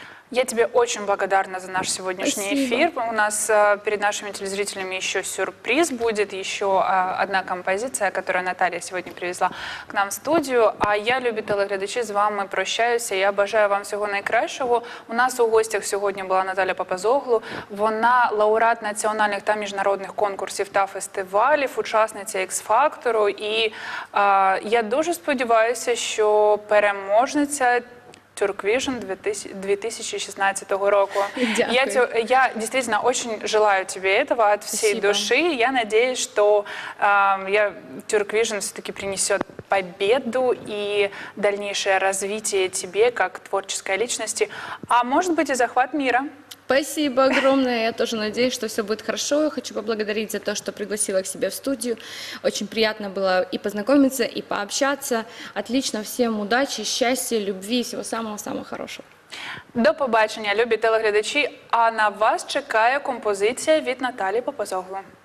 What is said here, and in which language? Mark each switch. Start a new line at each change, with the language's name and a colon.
Russian: Я тебе очень благодарна за наш сегодняшний Спасибо. Эфир. У нас перед нашими телезрителями еще сюрприз будет, еще одна композиция, которую Наталья сегодня привезла к нам в студию. А я, любители
Ukrainian: глядачі,
Russian: с вами прощаюсь и обожаю вам всего
Ukrainian: найкращого.
Russian: У нас у гостях сегодня была Наталя Папазоглу.
Ukrainian: Вона лауреат національних та міжнародних конкурсів та фестивалів, учасниця X-Factor. І я дуже сподіваюся, що переможниця Тюрквіжн 2016 року. Дякую.
Russian: Я действительно очень желаю тебе этого от всей Спасибо. Души. Я надеюсь, что Тюрквіжн все-таки принесет победу и дальнейшее развитие тебе как творческой личности, а может быть и захват мира. Спасибо огромное. Я тоже надеюсь, что все будет хорошо. Я хочу поблагодарить за то, что пригласила к себе в студию. Очень приятно было и познакомиться, и пообщаться. Отлично. Всем удачи, счастья, любви и всего самого-самого хорошего.
Ukrainian: До побачення, любі телеглядачі. А на вас чекає композиція від Наталі Папазоглу.